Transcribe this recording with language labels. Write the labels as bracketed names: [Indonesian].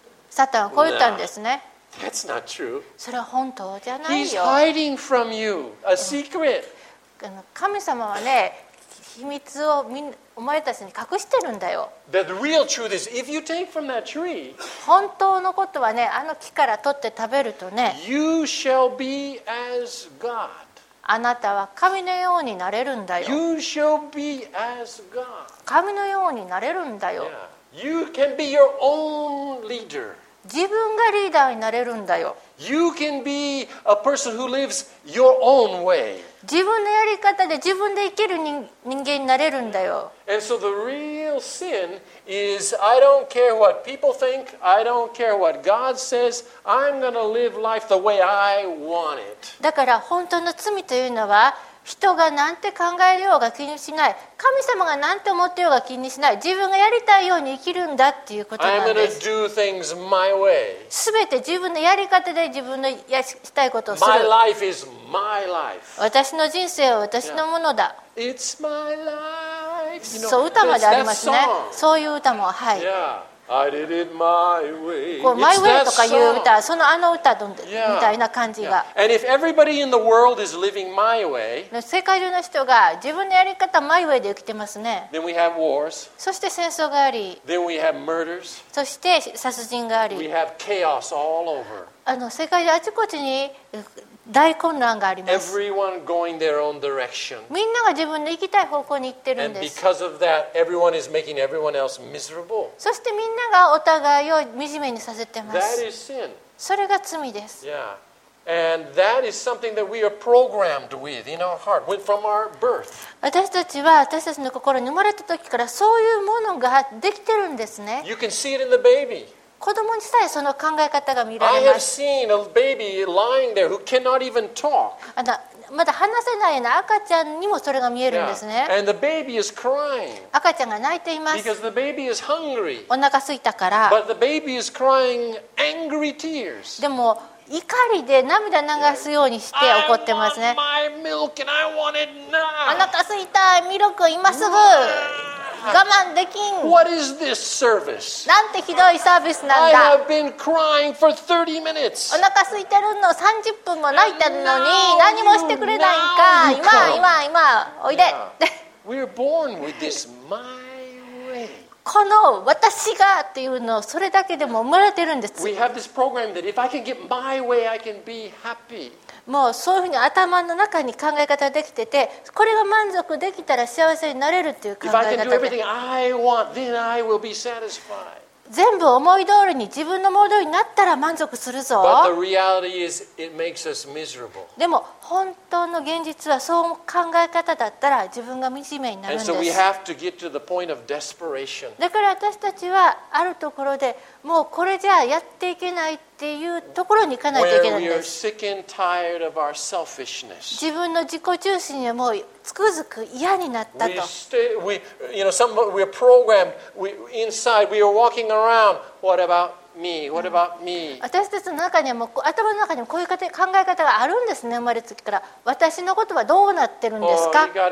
[Japanese] サタンはこう言ったんですね。 [English] No. That's not true. [Japanese] それは本当じゃないよ。 [English] He's hiding from you a secret. [Japanese] 神様はね、秘密をお前たちに隠してるんだよ。 [English] The real truth is, if you take from that tree, [Japanese] 本当のことはね、あの木から取って食べるとね、 [English] you shall be as God. [Japanese] あなたは神のようになれるんだよ。 [English] You shall be as God. [Japanese] 神のようになれるんだよ。 [English] Yeah. You can be your own leader. [Japanese] 自分がリーダーになれるんだよ。 [English] You can be a person who lives your own way. [Japanese] 自分のやり方で自分で生きる人間になれるんだよ。 [English] And so the real sin is, I don't care what people think, I don't care what God says, I'm gonna live life the way I want it. [Japanese] だから本当の罪というのは、人が何て考えようが気にしない。神様が何て思ってようが気にしない。自分がやりたいように生きるんだっていうことなんです。すべて自分のやり方で自分のやりたいことをする。 [English] My life is my life. [Japanese] 私の人生は私のものだ。 [English] Yeah. It's my life. [Japanese] そう歌までありますね。そういう歌も、はい。 [English] Yeah. I did it my way. [Japanese] こう、マイウェイとかいう歌、そのあの歌の、yeah. みたいな感じが。 [English] Yeah. And if everybody in the world is living my way, [Japanese] 世界中の人が自分のやり方、マイウェイで生きてますね。 [English] Then we have wars. [Japanese] そして戦争があり。 [English] Then we have murders. [Japanese] そして殺人があり。 [English] We have chaos all over. [Japanese] 世界中あちこちに大混乱があります。 [English] Everyone going their own direction. [Japanese] みんなが自分の行きたい方向に行ってるんです。 [English] And because of that, everyone is making everyone else miserable. [Japanese] そしてみんながお互いを惨めにさせてます。 [English] That is sin. [Japanese] それが罪です。 [English] Yeah. And that is something that we are programmed with in our heart, with from our birth. [Japanese] 私たちは私たちの心に生まれた時からそういうものができてるんですね。 [English] You can see it in the baby. [Japanese] 子供にさえその考え方が見られます。 [English] I have seen a baby lying there who cannot even talk. [Japanese] まだ話せないような赤ちゃんにもそれが見えるんですね。 [English] Yeah. And the baby is crying. [Japanese] 赤ちゃんが泣いています。 [English] Because the baby is hungry. [Japanese] お腹空いたから。 [English] But the baby is crying angry tears. [Japanese] でも怒りで涙流すようにして怒ってますね。 [English] I want my milk and I want it now. [Japanese] お腹空いた、ミルク今すぐ。我慢できん。 [English] What is this service? [Japanese] なんてひどいサービスなんだ。 [English] I have been crying for 30 minutes. [Japanese] お腹空いてるの30分も泣いてるのに何もしてくれないんか。 今おいで。 [English] Yeah. We're born with this my way. [Japanese] この私がっていうのをそれだけでも思われてるんです。 [English] We have this program that if I can get my way, I can be happy. [Japanese] もうそういうふうに頭の中に考え方できてて、これが満足できたら幸せになれるっていう考え方で。 [English] If I can do everything I want, then I will be satisfied. [Japanese] 全部思い通りに自分の思い通りになったら満足するぞ。 [English] But the reality is, it makes us miserable. [Japanese] でも本当の現実はそう考え方だったら自分が惨めになるんです。 [English] And so we have to get to the point of desperation. [Japanese] だから私たちはあるところでもうこれじゃやっていけないっていうところに行かないといけないんです。 [English] Where we are sick and tired of our selfishness. [Japanese] 自分の自己中心にもうつくづく嫌になったと。 [English] We're programmed. We inside. We are walking around. What aboutMe, what about me? [Japanese] 私たちの中にも頭の中にもこういう考え方があるんですね。生まれつきから私のことはどうなってるんですか。